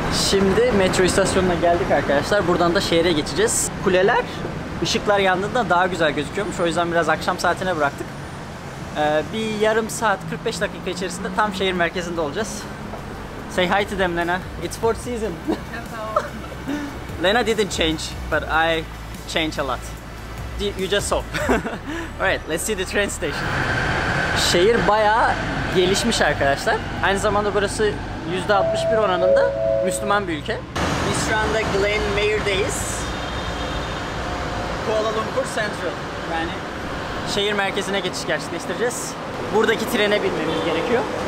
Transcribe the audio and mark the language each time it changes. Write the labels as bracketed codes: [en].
[tr] Şimdi metro istasyonuna geldik arkadaşlar. Buradan da şehre geçeceğiz. Kuleler, ışıklar yandığında daha güzel gözüküyormuş. O yüzden biraz akşam saatine bıraktık. Bir yarım saat, 45 dakika içerisinde tam şehir merkezinde olacağız. [en] Say hi to them, Lena. It's sport season. Lena didn't change, but I change a lot. You just saw. Alright, let's see the train station. [tr] Şehir bayağı gelişmiş arkadaşlar. Aynı zamanda burası %61 oranında Müslüman bir ülke. Biz şu anda Glen Mayer'deyiz. Kuala Lumpur Central. Yani şehir merkezine geçiş gerçekleştireceğiz. Buradaki trene binmemiz gerekiyor.